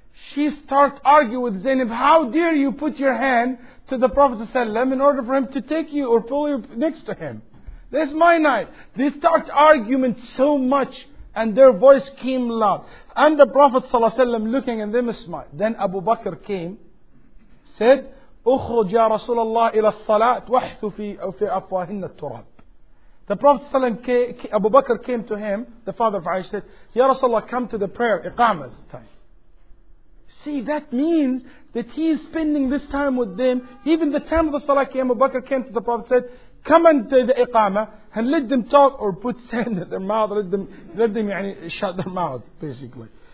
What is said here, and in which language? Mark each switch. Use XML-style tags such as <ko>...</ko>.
<en>she starts arguing with Zainab, how dare you put your hand to the Prophet ﷺ in order for him to take you or pull you next to him. This is my night. They start arguing so much and their voice came loud. And the Prophet ﷺ looking at them smiled. Then Abu Bakr came, said,</en> <ar>أخرج يا رسول الله إلى الصلاة وحث في أفواهن التراب.</ar> <en>The Prophet ﷺ, Abu Bakr came to him, the father of Aisha, said, Ya Rasulullah, come to the prayer, Iqamah's time. See, that means that he is spending this time with them. Even the time of the Salah came, Abu Bakr came to the Prophet said, come into the Iqamah and let them talk or put sand in their mouth, let them يعني, shut their mouth, basically.</en>